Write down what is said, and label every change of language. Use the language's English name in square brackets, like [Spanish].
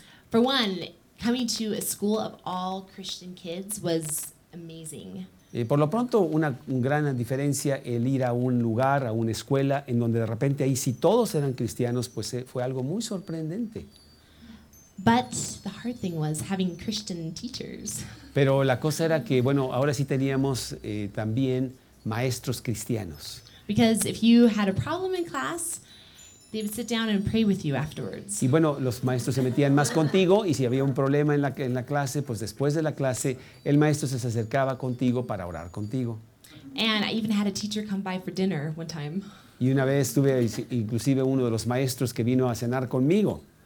[English] For one, coming to a school of all Christian kids was amazing. [Spanish] Por lo pronto, una gran diferencia el ir a un lugar, a una escuela, en donde de repente ahí sí todos eran cristianos, pues fue algo muy sorprendente. [English] But the hard thing was having Christian teachers. [Spanish] Pero la cosa era que, bueno, ahora sí teníamos también maestros cristianos. [English] Because if you had a problem in class, they would sit down and pray with you afterwards. [Spanish] Y bueno, los maestros se metían más contigo y si había un problema en la clase, pues después de la clase, el maestro se acercaba contigo para orar contigo. [English] And I even had a teacher come by for dinner one time. [Spanish] Y una vez tuve inclusive uno de los maestros que vino a cenar conmigo.